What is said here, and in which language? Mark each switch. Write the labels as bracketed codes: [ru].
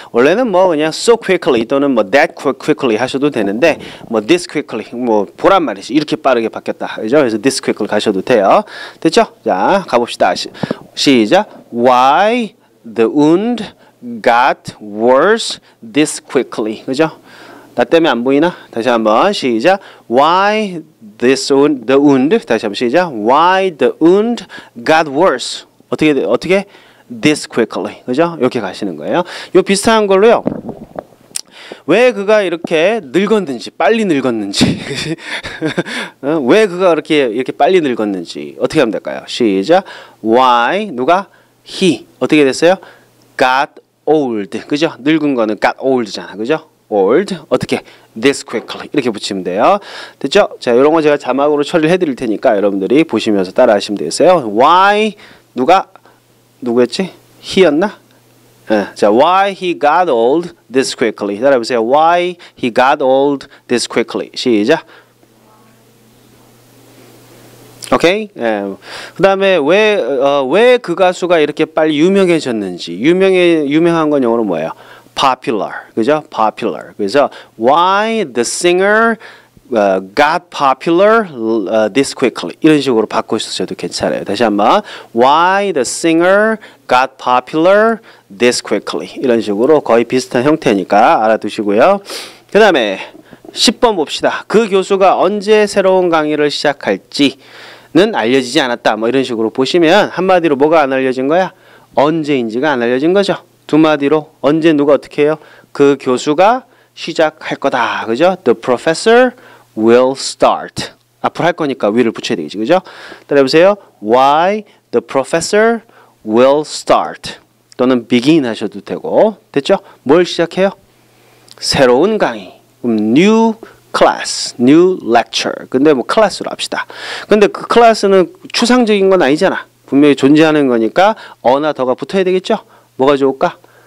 [ko] 원래는 뭐 그냥 so quickly 또는 뭐 that quickly 하셔도 되는데. 뭐 this quickly. 뭐 보란 말이지. 이렇게 빠르게 바뀌었다. 그죠? 그래서 this quickly 가셔도 돼요. 됐죠? 자, 가봅시다. 시작. [en] Why the wound got worse this quickly. [ko] 그죠? 나 때문에 안 보이나? 다시 한번 시작. [en] Why this wound, the wound. [ko] 다시 한번 시작. Why the wound got worse? 어떻게? This quickly. 그죠? 이렇게 가시는 거예요. 요 비슷한 걸로요. 왜 그가 이렇게 늙었는지, 빨리 늙었는지. 왜 그가 이렇게 빨리 늙었는지. 어떻게 하면 될까요? 시작. Why? 누가? He. 어떻게 됐어요? [en] Got old. 그죠? [ko] 늙은 거는 got old잖아. 그죠? Old 어떻게 this quickly 이렇게 붙이면 돼요. 됐죠? 자, 이런 거 제가 자막으로 처리를 해드릴 테니까 여러분들이 보시면서 따라 하시면 되겠어요. Why 누가 누구였지? He였나? [en] 자, why he got old this quickly. [ko] 따라 해보세요. [en] Why he got old this quickly. [ko] 시작. 오케이. 그 다음에 왜그 가수가 이렇게 빨리 유명해졌는지. 유명한 건 영어로 뭐예요? [en] popular. 그죠? popular. 그래서 why the singer got popular this quickly. [ko] 이런 식으로 바꾸셔도 괜찮아요. 다시 한번. [en] why the singer got popular this quickly. [ko] 이런 식으로 거의 비슷한 형태니까 알아두시고요. 그다음에 10번 봅시다. 그 교수가 언제 새로운 강의를 시작할지는 알려지지 않았다. 뭐 이런 식으로 보시면 한마디로 뭐가 안 알려진 거야? 언제인지가 안 알려진 거죠. 두 마디로 언제 누가 어떻게 해요? 그 교수가 시작할 거다. 그죠? [en] The professor will start. [ko] 앞으로 할 거니까 will을 붙여야 되지. 그죠? 따라해보세요. [en] Why the professor will start. [ko] 또는 begin 하셔도 되고. 됐죠? 뭘 시작해요? 새로운 강의. [en] 그럼 new class, new lecture. [ko] 근데 뭐 class로 합시다. 근데 그 class는 추상적인 건 아니잖아. 분명히 존재하는 거니까 어나 더가 붙어야 되겠죠? 뭐가 좋을까?